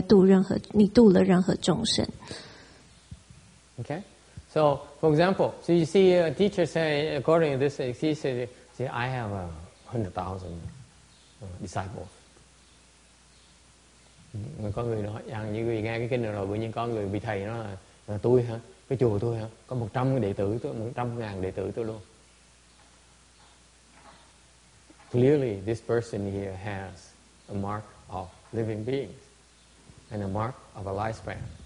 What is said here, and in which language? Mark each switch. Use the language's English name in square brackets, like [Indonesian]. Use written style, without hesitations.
[Chinese] 所以说，再来就是你如果要能够除去你对这个众生的这个相的执着的话，就是说，当你度众生的时候，你不要觉得说你在度任何，你度了任何众生。 [English] Okay, so for example, so you see a teacher say, according to this, he said, "See, I have 100,000 disciples." [Vietnamese] Có người nói, rằng như người nghe cái kinh này rồi, bỗng nhiên có người bị thầy nó là tôi hả, cái chùa tôi hả, có 100 đệ tử tôi, 100,000 đệ tử tôi luôn. [English] Clearly, this person here has a mark of living beings and a mark of a lifespan.